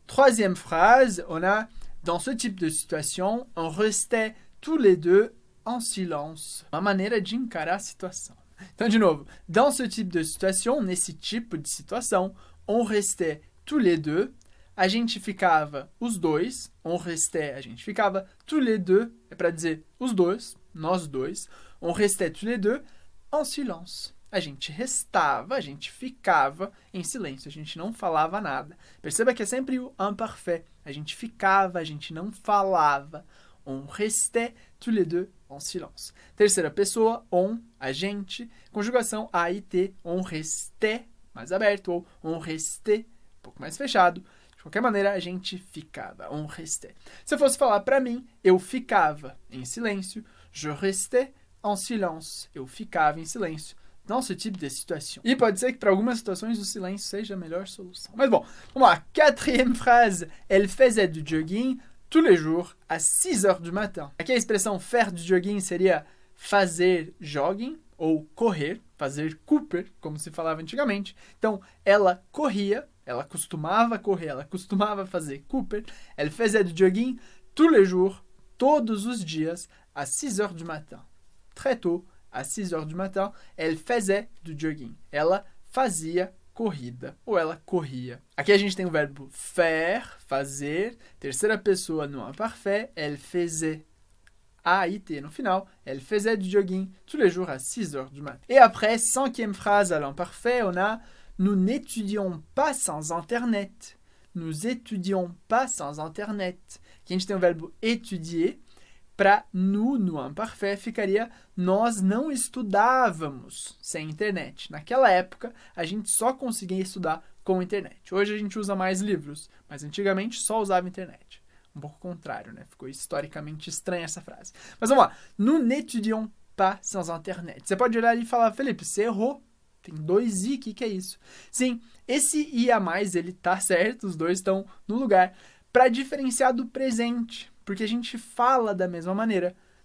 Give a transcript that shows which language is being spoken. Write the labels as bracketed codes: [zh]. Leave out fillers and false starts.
[fr] Troisième phrase, on a, dans ce type de situation, on restait tous les deux en silence. [pt] Uma maneira de encarar a situação. Então, de novo, [fr] dans ce type de situation, [pt] nesse tipo de situação, [fr] on restait tous les deux. [pt] A gente ficava os dois, on restait, a gente ficava, tous les deux, é para dizer os dois, nós dois, [fr] on restait tous les deux, en silence. [pt] A gente restava, a gente ficava em silêncio, a gente não falava nada. Perceba que é sempre o imparfait, a gente ficava, a gente não falava, [fr] on restait tous les deux, en silence. [pt] Terceira pessoa, on, a gente, conjugação A e T, on restait, mais aberto, ou on restait, um pouco mais fechado. De qualquer maneira, a gente ficava, on restait. Se eu fosse falar para mim, eu ficava em silêncio, [fr] je restais en silence, [pt] eu ficava em silêncio, [fr] dans ce type de situation. Il peut dire que pour [pt] algumas situações, o silêncio seja a melhor solução. Mas bon, vamos lá. [fr] Quatrième phrase. Elle faisait du jogging tous les jours à 6 heures du matin. [pt] Aqui, a expressão faire du jogging seria fazer jogging ou correr, fazer cooper, como se falava antigamente. Então, ela corria, ela costumava correr, ela costumava fazer cooper. [fr] Elle faisait du jogging tous les jours, [pt] todos os dias, [fr] à 6 heures du matin. Très tôt, à 6 heures du matin, elle faisait du jogging. [pt] Ela fazia corrida, ou ela corria. Aqui a gente tem o verbo faire, fazer, terceira pessoa no imparfait, elle faisait. A, I, T no final, [fr] elle faisait du jogging tous les jours à 6 heures du matin. Et après, cinquième phrase à l'imparfait, on a nous n'étudions pas sans internet. Nous étudions pas sans internet. [pt] Aqui a gente tem o verbo étudier. Para nous, no imparfait, ficaria nós não estudávamos sem internet. Naquela época, a gente só conseguia estudar com internet. Hoje a gente usa mais livros, mas antigamente só usava internet. Um pouco contrário, né? Ficou historicamente estranha essa frase. Mas vamos lá. [fr] Nous n'étudions pas sans internet. [pt] Você pode olhar ali e falar, Felipe, você errou. Tem dois i, o que, que é isso? Sim, esse i a mais, ele tá certo, os dois estão no lugar. Para diferenciar do presente, porque a gente fala da mesma maneira.